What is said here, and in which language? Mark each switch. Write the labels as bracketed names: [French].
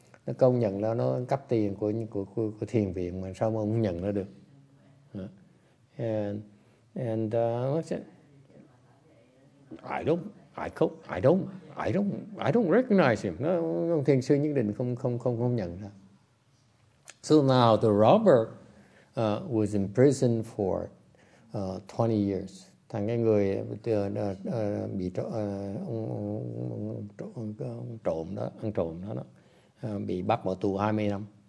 [Vietnamese] nó công nhận là nó cắp tiền của thiền viện mà sao mà không nhận nó được. [English] I don't recognize him. [Vietnamese] No, thiền sư nhất định không nhận ra. [English] So now the robber was in prison for 20 years. [Vietnamese] Thằng cái người bị ăn trộm đó bị bắt vào tù 20 năm.